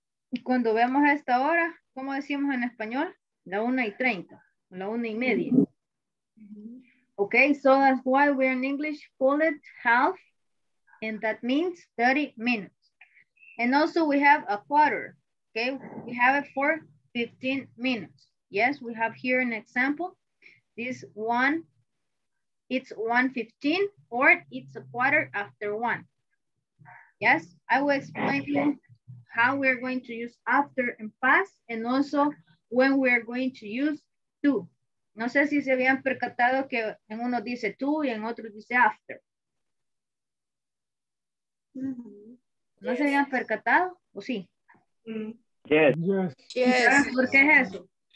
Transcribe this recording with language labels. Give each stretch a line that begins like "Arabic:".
Spanish: Y cuando vemos esta hora, ¿cómo decimos en español? La 1:30, la 1:30.
English: Okay, so that's why we're in English, call it half, and that means 30 minutes. And also we have 1/4, okay? We have it for 15 minutes. Yes, we have here an example. This one, it's 1:15, or it's 1:15. Yes, I will explain to you how we're going to use after and past, and also when we're going to use to.
Spanish: No sé si se habían percatado que en uno dice to y en otro dice after. Mm-hmm. ¿No
English: yes.
Spanish: se habían percatado o sí?
English: Yes. Yes.
Spanish: ¿Por qué es eso?